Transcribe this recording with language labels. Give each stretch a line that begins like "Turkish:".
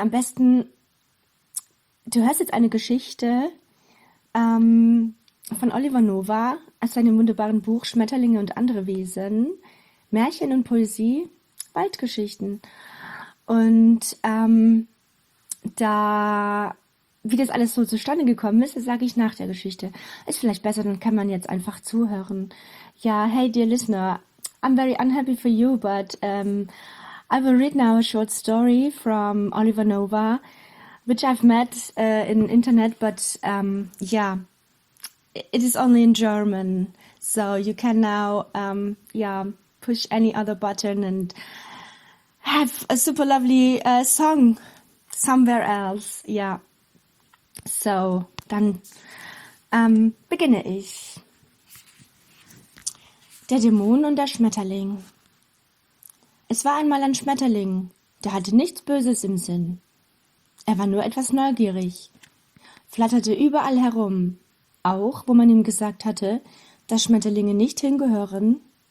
German: Am besten, du hörst jetzt eine Geschichte von Oliver Nova aus seinem wunderbaren Buch Schmetterlinge und andere Wesen, Märchen und Poesie, Waldgeschichten. Und da, wie das alles so zustande gekommen ist, das sage ich nach der Geschichte. Ist vielleicht besser, dann kann man jetzt einfach zuhören.
English: Ja, hey, dear listener. I'm very unhappy for you, but I will read now a short story from Oliver Nova, which I've met in internet, but yeah, it is only in German, so you can now push any other button and have a super lovely song somewhere else.
German: Yeah, so dann beginne ich. Der Dämon und der Schmetterling. Es war einmal ein Schmetterling, der hatte nichts Böses im Sinn. Er war nur etwas neugierig, flatterte überall herum, auch wo man ihm gesagt hatte, dass Schmetterlinge nicht hingehören.